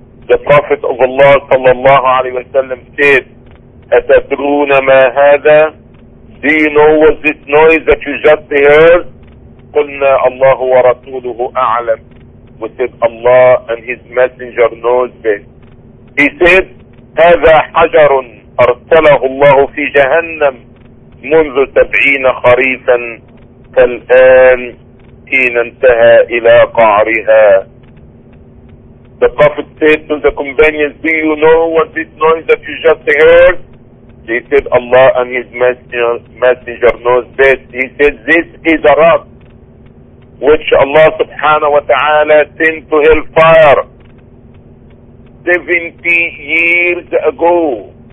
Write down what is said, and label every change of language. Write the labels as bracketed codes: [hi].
[en] The Prophet of Allah sallallahu alaihi wasallam said, [ar] "Atadruna ma hada?" [en] Do you know what this noise that you just heard? [ar] Qulna Allahu wa rasuluhu a'lam. [en] We said, Allah and His Messenger knows this. He said, [ar] هذا حجر أرسله الله في جهنم منذ 70 خريفا فالآن حين انتهى إلى قعرها. [en] The Prophet said to the companions, do you know what this noise that you just heard? He said, Allah and His Messenger knows this. He said, this is a rock which Allah subhanahu wa ta'ala sent to hellfire 70 years ago.